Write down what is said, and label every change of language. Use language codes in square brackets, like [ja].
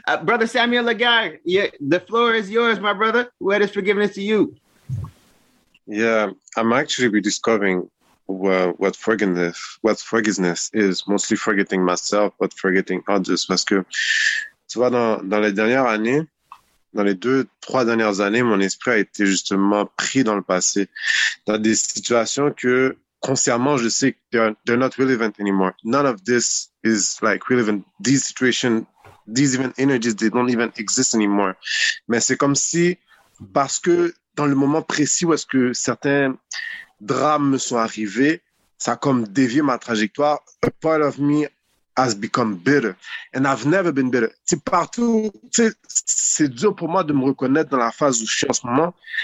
[en] Brother Samuel Lagarde, the floor is yours, my brother. What is forgiveness to you? Yeah, I'm actually rediscovering what forgiveness is, mostly forgetting myself, but forgetting others. [fr] Parce que, tu vois, dans les dernières années, dans les deux, trois dernières années, mon esprit a été justement pris dans le passé, dans des situations que, consciemment, je sais que [en] they're not relevant anymore. None of this is like relevant. These situations, these even energies, they don't even exist anymore. [fr] Mais c'est comme si, parce que dans le moment précis où est-ce que certains drames me sont arrivés, ça a comme dévié ma trajectoire. [en] A part of me has become bitter. And I've never been bitter. [fr] T'sais, partout, t'sais, c'est dur pour moi de me reconnaître dans la phase où je suis en ce moment.